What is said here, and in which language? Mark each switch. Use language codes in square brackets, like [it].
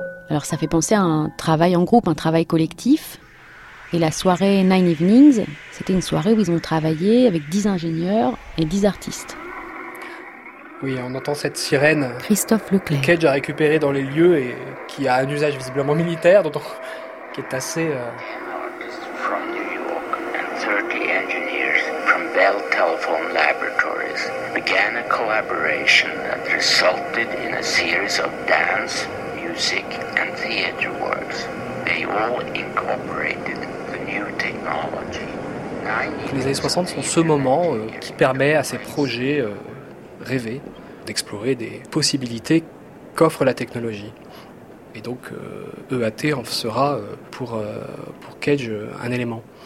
[fr] Alors ça fait penser à un travail en groupe, un travail collectif. Et la soirée Nine Evenings, c'était une soirée où ils ont travaillé avec 10 ingénieurs et 10 artistes. Oui, on entend cette sirène. Christophe Leclerc. Que Cage a récupéré dans les lieux et qui a un usage visiblement militaire, donc qui est assez... [en] Bell Telephone Laboratories began a collaboration that resulted in a series of dance, music, and theater works. They all incorporated the new technology. [fr] Les années 60 sont ce moment qui permet à ces projets rêvés d'explorer des possibilités qu'offre la technologie. Et donc, EAT en sera pour Cage un élément.